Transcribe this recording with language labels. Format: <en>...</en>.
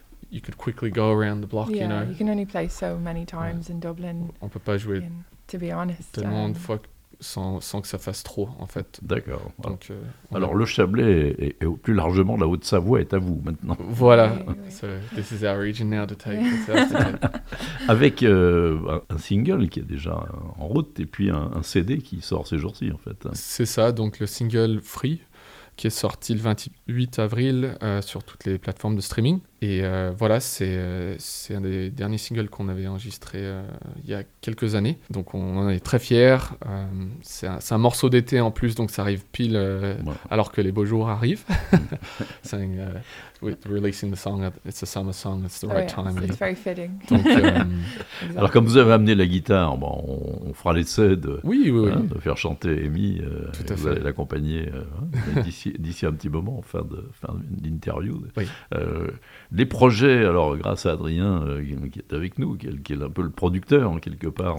<en>You could quickly go around the block, You can only play so many times in Dublin.</en> <fr>On peut pas jouer,</fr> <en>to be honest,</en> <fr>tellement de fois sans que ça fasse trop, en fait. D'accord. Donc, alors, le Chablais et plus largement la Haute-Savoie est à vous maintenant. Voilà.</fr> <en>Oui. So, this is our region now to take.</en> <fr>Avec un single qui est déjà en route et puis un CD qui sort ces jours-ci, en fait. C'est ça, donc le single Free, qui est sorti le 28 avril sur toutes les plateformes de streaming. Et c'est un des derniers singles qu'on avait enregistré il y a quelques années. Donc on en est très fiers. C'est un morceau d'été en plus, donc ça arrive pile alors que les beaux jours arrivent.</fr> <en>Saying, with releasing the song, it's a summer song, it's the right time. It's very fitting.</en> <fr>Donc, alors comme vous avez amené la guitare, on fera l'essai de faire chanter Amy. Tout à fait. Vous allez l'accompagner d'ici un petit moment, fin d'interview. Oui. Les projets, alors grâce à Adrien qui est avec nous, qui est un peu le producteur quelque part.</fr>